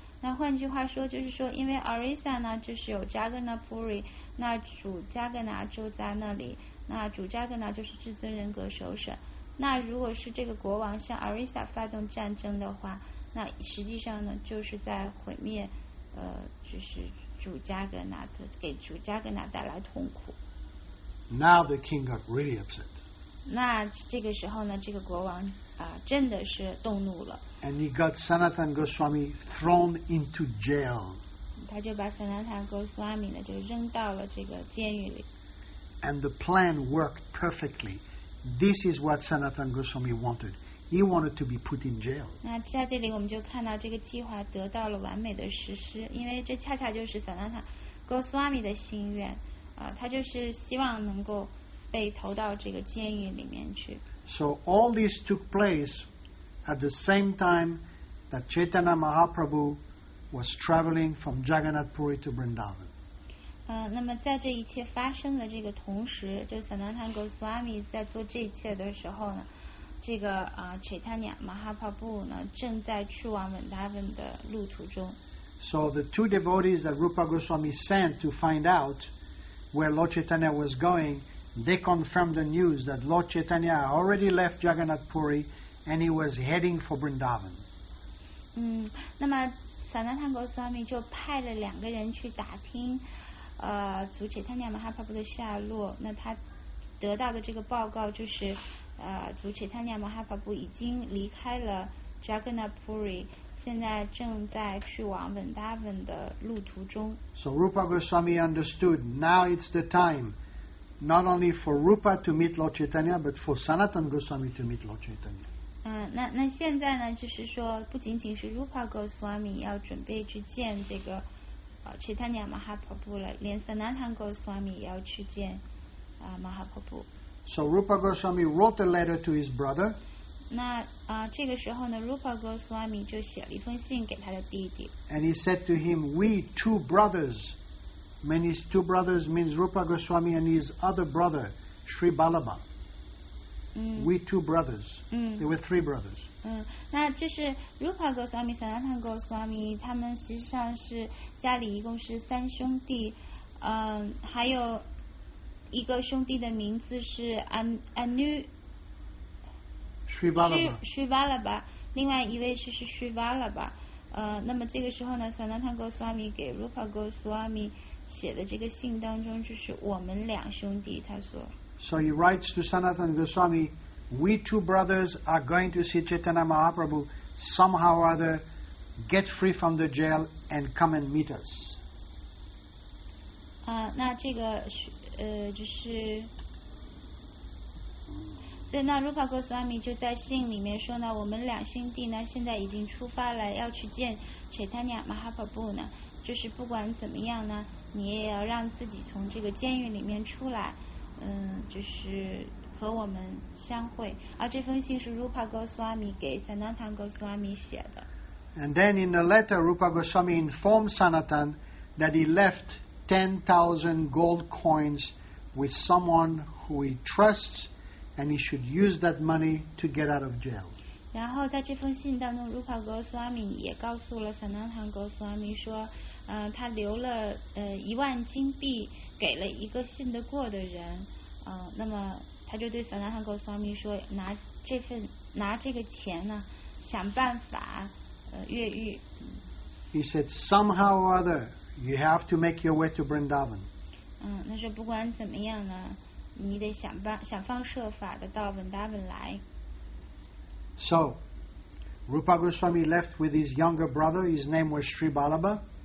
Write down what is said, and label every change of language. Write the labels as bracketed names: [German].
[Chinese] 那换句话说，就是说，因为 Orissa 呢，就是有 Jagannath Puri， 那主加格纳就在那里，那主加格纳就是至尊人格首审。那如果是这个国王向 Orissa 发动战争的话，那实际上呢，就是在毁灭，就是主加格纳的，给主加格纳带来痛苦。 [English] Now the king got really upset. [Chinese] 那这个时候呢，这个国王。真的是动怒了。 [English] And he got Sanatan Goswami thrown into jail. [Chinese] 他就把 Sanatan Goswami 呢就扔到了这个监狱里。 [English] And the plan worked perfectly. This is what Sanatan Goswami wanted. He wanted to be put in jail. [Chinese] 那在这里我们就看到这个计划得到了完美的实施，因为这恰恰就是 Sanatan Goswami 的心愿。他就是希望能够被投到这个监狱里面去。 [English] So all this took place at the same time that Chaitanya Mahaprabhu was traveling from Jagannath Puri to Vrindavan. [Chinese] 那么在这一切发生的这个同时，就 Sanatan Goswami 在做这一切的时候呢，这个Chaitanya Mahaprabhu 呢正在去往 Vrindavan 的路途中。 [English] So the two devotees that Rupa Goswami sent to find out where Lord Chaitanya was going. They confirmed the news that Lord Chaitanya already left Jagannath Puri and he was heading for Vrindavan. [Chinese] 那么 Sanatan Goswami 就派了两个人去打听主 Chaitanya Mahaprabhu 的下落，那他得到的这个报告就是主 Chaitanya Mahaprabhu 已经离开了 Jagannath Puri， 现在正在去往 Vrindavan 的路途中。 [English] So Rupa Goswami understood now it's the timeNot only for Rupa to meet Lord Chaitanya, but for Sanatan Goswami to meet Lord Chaitanya. [Chinese] 那现在呢，就是说，不仅仅是 Rupa Goswami 要准备去见这个Chaitanya Mahaprabhu 了，连 Sanatan Goswami 也要去见Mahaprabhu. [English] So Rupa Goswami wrote a letter to his brother. [Chinese] 那这个时候呢 ，Rupa Goswami 就写了一封信给他的弟弟。 [English] And he said to him, "We two brothers." Means his two brothers means Rupa Goswami and his other brother, Sri Balabha. We two brothers. There were three brothers. [Chinese] 那就是 Rupa Goswami, Sanatan Goswami, 他们实际上是家里一共是三兄弟，还有一个兄弟的名字是 Anu. [English] Sri Balabha. Sri Balabha. [Chinese] 另外一位是Sri Balabha. 那么这个时候呢 ，Sanatan Goswami 给 Rupa Goswami. 写的这个信当中就是我们两兄弟他说 [English] So he writes to Sanatan Goswami We two brothers are going to see Chaitanya Mahaprabhu Somehow or other Get free from the jail And come and meet us [Chinese] 那这个就是所以那如法国斯瓦米就在信里面说呢，我们两兄弟呢现在已经出发了，要去见切塔尼亚马哈帕布呢，就是不管怎么样呢，你也要让自己从这个监狱里面出来，就是和我们相会。而这封信是 Rupa Goswami 给 Sanatan Goswami 写的。 [English] And then in the letter, Rupa Goswami informed Sanatan that he left 10,000 gold coins with someone who he trusts, and he should use that money to get out of jail. [Chinese] 然后在这封信当中 ，Rupa Goswami 也告诉了 Sanatan Goswami 说，他留了一万金币给了一个信得过的人，那么。他就对萨拉坦高斯瓦米说，拿这个钱呢，想办法越狱。 [English] He said, somehow or other, you have to make your way to Vrindavan. [Chinese] 他说不管怎么样呢，你得想方设法的到 Vrindavan 来。 [English] So, Rupa Goswami left with his younger brother, his name was Sri Balabha.